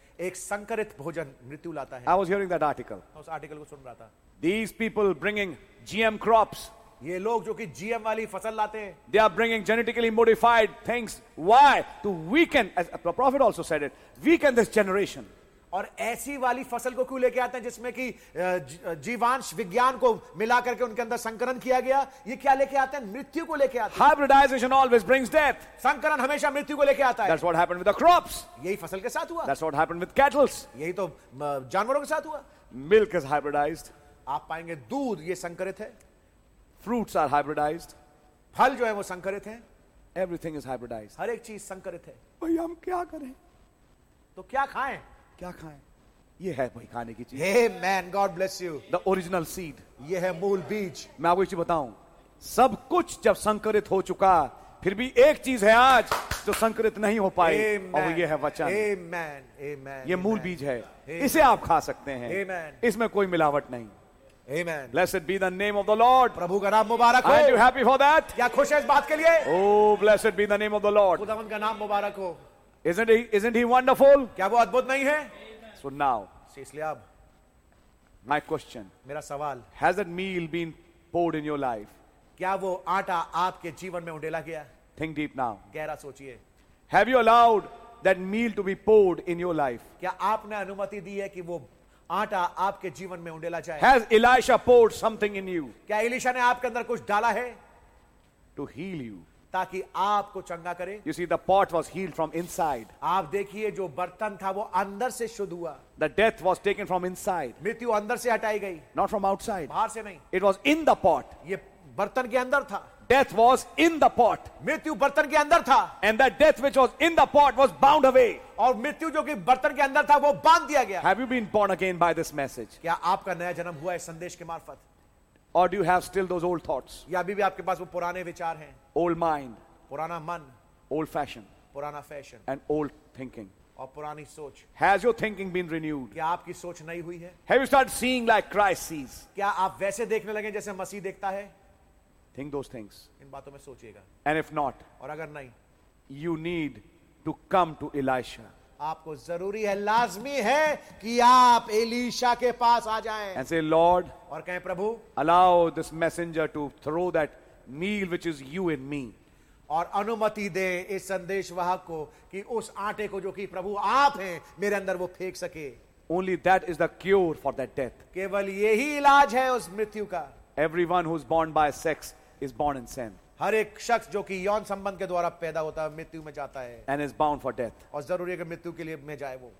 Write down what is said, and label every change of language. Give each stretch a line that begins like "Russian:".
Hindi: एक संकरित भोजन मृत्यु लाता है.
English: I was hearing that article.
Hindi: उस आर्टिकल को सुन रहा था.
English: These people bringing GM crops.
Hindi: ये लोग जो कि GM वाली फसल लाते हैं.
English: They are bringing genetically modified things. Why? To weaken, as the prophet also said it, weaken this generation.
Hindi: और ऐसी वाली फसल को क्यों लेके आते हैं जिसमें कि जीवांश विज्ञान को मिला करके उनके अंदर संकरण किया गया? ये क्या लेके आते हैं? मृत्यु को लेके आते हैं.
English: Hybridization always brings death.
Hindi: संकरण हमेशा मृत्यु को लेके आता है.
English: That's what happened with the crops.
Hindi: यही फसल के साथ हुआ.
English: That's what happened with cattles.
Hindi: यही तो जानवरों के साथ हुआ.
English: Milk is hybridized.
Hindi: आप पाएंगे दूध ये संकरित है.
English: Fruits are hybridized.
Hindi: फल जो है वो संकरित है.
English: Everything is hybridized.
Hindi: हर एक चीज संकरित है. भाई हम क्या करें? तो क्या खाएं? क्या खाएं? ये है भाई खाने की चीज.
English: Hey man, God bless you. The original seed.
Hindi: ये है मूल बीज. मैं आपको एक चीज बताऊं. सब कुछ जब संकरित हो चुका, फिर भी एक चीज है आज जो संकरित नहीं हो पाई.
English: Amen.
Hindi: और ये है वचन.
English: Amen. Amen.
Hindi: ये मूल बीज है. Amen. इसे आप खा सकते हैं.
English: Amen.
Hindi: इसमें कोई मिलावट नहीं.
English: Amen. Blessed be the name of the Lord.
Hindi: प्रभु का नाम मुबारक हो.
English: Are you happy for that?
Hindi: क्या खुश है इस बात के लिए?
English: Oh, blessed be the name of the Lord.
Hindi: खुदावंद का नाम मुबारक हो.
English: Isn't he wonderful?
Hindi: क्या वो अद्भुत नहीं है?
English: So now,
Hindi: इसलिए अब
English: my question.
Hindi: मेरा सवाल.
English: Has that meal been poured in your life?
Hindi: क्या वो आटा आपके जीवन में उंडेला गया?
English: Think deep now.
Hindi: गहरा सोचिए.
English: Have you allowed that meal to be poured in your life?
Hindi: क्या आपने अनुमति दी है कि वो आटा आपके जीवन में उंडेला जाए?
English: Has Elisha poured something in you?
Hindi: क्या एलिशा ने आपके अंदर कुछ डाला है?
English: To heal you.
Hindi: ताकि आपको चंगा करे.
English: You see, the pot was healed from inside.
Hindi: आप देखिए जो बर्तन था वो अंदर से शुद्ध हुआ.
English: The death was taken from inside.
Hindi: मृत्यु अंदर से हटाई गई.
English: Not from outside.
Hindi: बाहर से नहीं.
English: It was in the pot.
Hindi: ये बर्तन के अंदर था.
English: Death was in the pot.
Hindi: मृत्यु बर्तन के अंदर था.
English: And that death which was in the pot was bound away.
Hindi: और मृत्यु जो कि बर्तन के अंदर था वो बांध दिया गया.
English: Have you been born again by this message?
Hindi: क्या आपका नया जन्म हुआ इस संदेश के मार्फत?
English: Or do you have still those old thoughts?
Hindi: या अभी भी आपके पास वो पुराने विचार हैं?
English: Old mind.
Hindi: पुराना मन.
English: Old fashion.
Hindi: पुराना fashion.
English: And old thinking.
Hindi: और पुरानी सोच.
English: Has your thinking been renewed?
Hindi: क्या आपकी सोच नई हुई है?
English: Have you started seeing like Christ sees?
Hindi: क्या आप वैसे देखने लगे जैसे मसीह देखता है?
English: Think those things.
Hindi: इन बातों में सोचिएगा.
English: And if not,
Hindi: और अगर नहीं,
English: you need to come to Elisha.
Hindi: आपको जरूरी है, लाजमी है कि आप एलिशा के पास आ जाएं.
English: And say, Lord,
Hindi: और कहें प्रभु,
English: allow this messenger to throw that meal which is you and me.
Hindi: और अनुमति दे इस संदेशवाहक को कि उस आटे को जो कि प्रभु आप हैं मेरे अंदर वो फेंक सके.
English: Only that is the cure for that death.
Hindi: केवल यही इलाज है उस मृत्यु का.
English: Everyone who is born by sex is born in sin.
Hindi: हर एक शख्स जो कि यौन संबंध के द्वारा पैदा होता है मृत्यु में जाता है.
English: And is bound for death.
Hindi: और जरूरी है कि मृत्यु के लिए में जाए वो.